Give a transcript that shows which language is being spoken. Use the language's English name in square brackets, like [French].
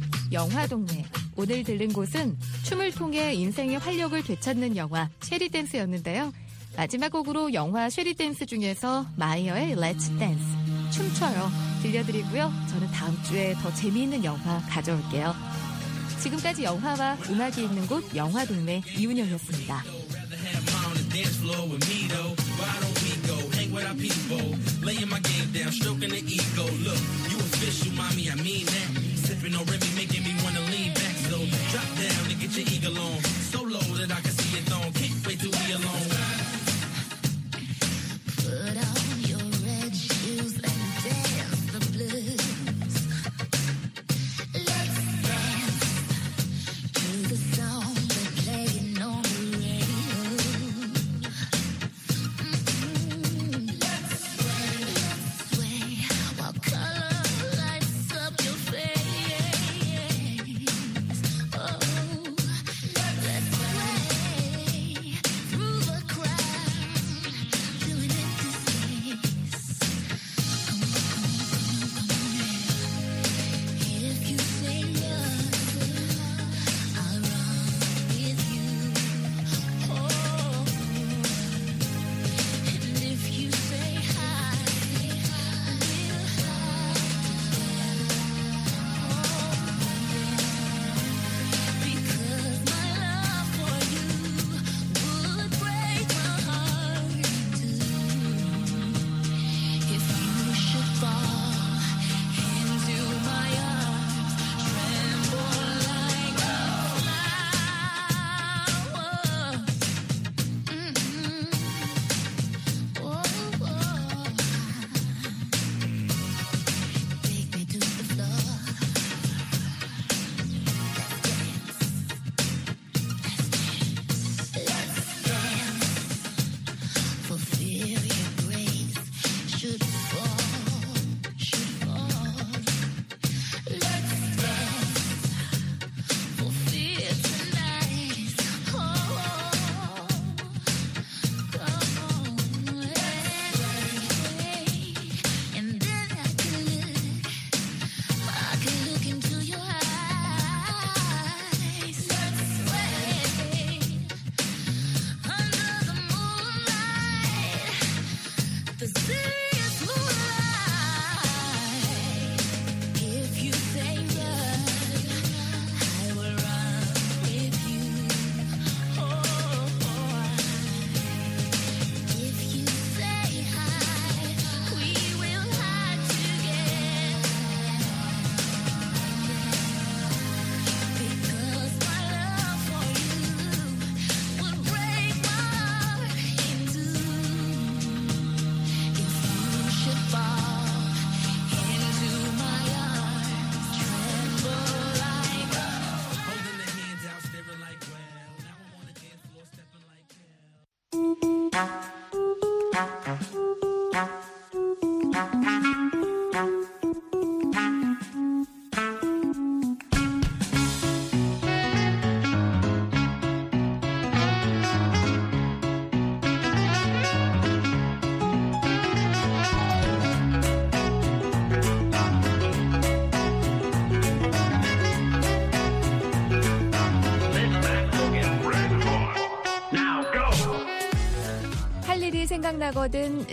[Korean] 《영화 동네》 오늘 들른 곡은 춤을 통해 인생의 활력을 되찾는 영화 체리댄스였는데요. 마지막 곡으로 영화 체리댄스 중에서 마이어의 Let's Dance, 춤춰요 들려드리고요. 저는 다음 주에 더 재미있는 영화 가져올게요. 지금까지 영화와 음악이 있는 곳 영화 동네 이은영이었습니다. [English] Dance floor with me though. Why don't we go hang with our people? Laying my game down, stroking the ego. Look, you official, mommy, I mean that. Sipping on Remy, making me wanna lean back. So drop down and get your eagle on. So low that I can see it on. Can't wait to be alone. Put on your red shoes and dance the blues. Put on your [Korean] 생각나거든